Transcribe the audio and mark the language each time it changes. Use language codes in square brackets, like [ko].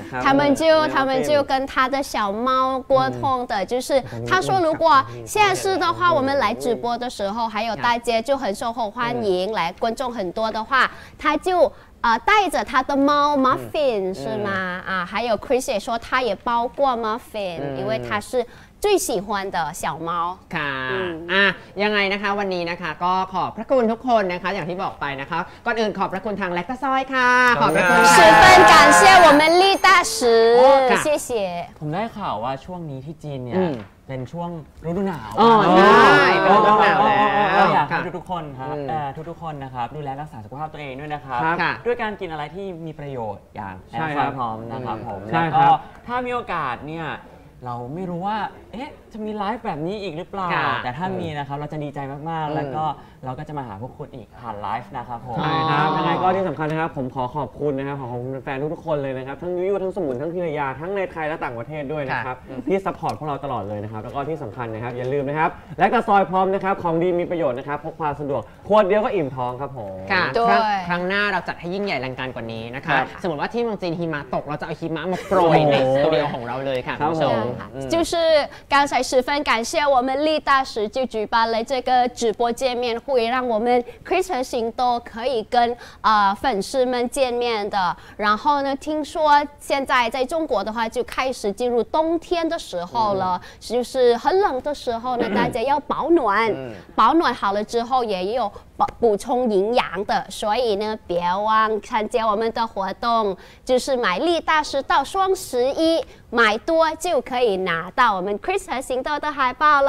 [th] ครับ [zh] 他们就跟他的小猫郭通的就是他说如果现世的话我们来直播的时候还有大街就很受后欢迎来观众很多的话他就带着他的猫 Muffin 是吗？啊，还有 Chris 也说他也包过 Muffin， 因为他是最喜欢的小猫。 [th] ค่ะ ยังไงนะคะวันนี้นะคะก็ขอบพระคุณทุกคนนะคะอย่างที่บอกไปนะคะก่อนอื่นขอบพระคุณทางแล็กตาซอยค่ะขอบพระคุณ [zh] 十分感谢我们丽大师谢谢 [th] ผมได้ข่าวว่าช่วงนี้ที่จีนเนี่ยเป็นช่วงฤดูหนาว ใช่ฤดูหนาวแล้ว อยากให้ทุกๆคนครับทุกๆคนนะครับดูแลรักษาสุขภาพตัวเองด้วยนะครับ ด้วยการกินอะไรที่มีประโยชน์อย่างแอลกอฮอล์พร้อมนะครับผม แล้วก็ถ้ามีโอกาสเนี่ยเราไม่รู้ว่าเอ๊ะจะมีไลฟ์แบบนี้อีกหรือเปล่าแต่ถ้ามีนะครับเราจะดีใจมากๆแล้วก็เราก็จะมาหาพวกคุณอีกผ่านไลฟ์นะครับผม ใช่ครับยังไงก็ที่สำคัญนะครับผมขอขอบคุณนะครับขอขอบคุณแฟนทุกๆคนเลยนะครับทั้งยูยูทั้งสมุนทั้งพิรยาทั้งในไทยและต่างประเทศด้วยนะครับที่ซัพพอร์ตพวกเราตลอดเลยนะครับแล้วก็ที่สำคัญนะครับอย่าลืมนะครับและกระซอยพร้อมนะครับของดีมีประโยชน์นะครับพกพาสะดวกขวดเดียวก็อิ่มท้องครับผม ครั้งหน้าเราจัดให้ยิ่งใหญ่ลังการกว่านี้นะคะสมมติว่าที่เมืองจีนหิมะตกเราจะเอาหิมะมาโปรยในสตูดิโอของเราเลยค่ะคุณผู้ชม [zh] 就是刚才十分感谢我们丽大使就举办了这个直播见面会，让我们 Chris 和行都可以跟粉丝们见面的。然后呢，听说现在在中国的话就开始进入冬天的时候了，就是很冷的时候呢，大家要保暖，保暖好了之后也有补充营养的，所以呢，别忘参加我们的活动，就是买丽大师到双十一买多就可以拿到我们 Chris 和行豆的海报